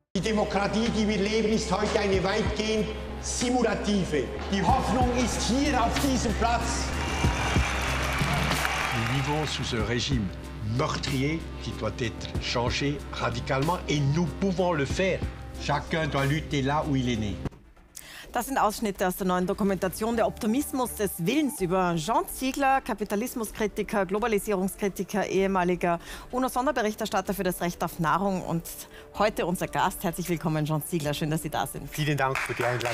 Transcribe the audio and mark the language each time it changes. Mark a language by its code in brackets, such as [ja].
[de] Demokratie, die wir leben, ist heute eine weitgehend simulative. Die Hoffnung ist hier auf diesem Platz. Wir leben [fr] sous un régime meurtrier qui doit être changé radicalement et nous pouvons le faire. Chacun doit lutter là où il est né. [de] Das sind Ausschnitte aus der neuen Dokumentation Der Optimismus des Willens über Jean Ziegler, Kapitalismuskritiker, Globalisierungskritiker, ehemaliger UNO-Sonderberichterstatter für das Recht auf Nahrung und heute unser Gast. Herzlich willkommen, Jean Ziegler. Schön, dass Sie da sind. Vielen Dank für die Einladung.